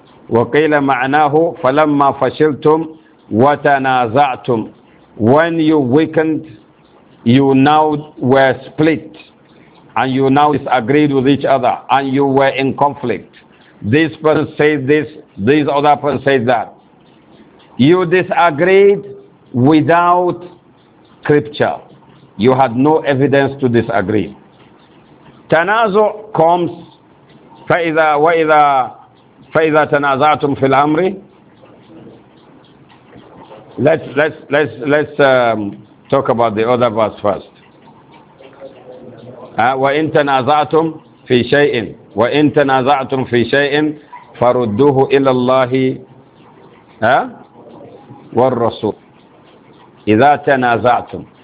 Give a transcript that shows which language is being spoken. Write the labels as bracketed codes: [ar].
[ar] وقيل معناه فلما فشلتم وتنازعتم. [en] When you weakened, you now were split. And you now disagreed with each other, and you were in conflict. This person said this, this other person said that. You disagreed without scripture. You had no evidence to disagree. Tanazu comes, [ar] فَإِذَا تَنَازَعْتُمْ فِي الْأَمْرِ. [en] Let's talk about the other verse first. [ar] وَإِن تَنَازَعْتُمْ فِي شَيْءٍ وَإِن تَنَازَعْتُمْ فِي شَيْءٍ فَرُدُّوهُ إِلَى اللَّهِ وَالرَّسُولِ إِذَا تَنَازَعْتُمْ.